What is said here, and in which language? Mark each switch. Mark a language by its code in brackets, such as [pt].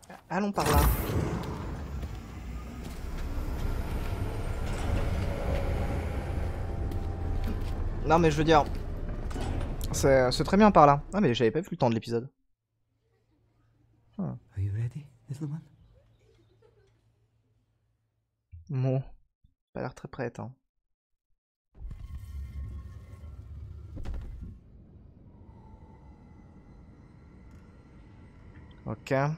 [fr] Allons par là. Non mais je veux dire, c'est très bien par là. Ah mais j'avais pas vu le temps de l'épisode. [en] Are you ready, little one? [fr] Bon, pas l'air très prête, hein. Ok.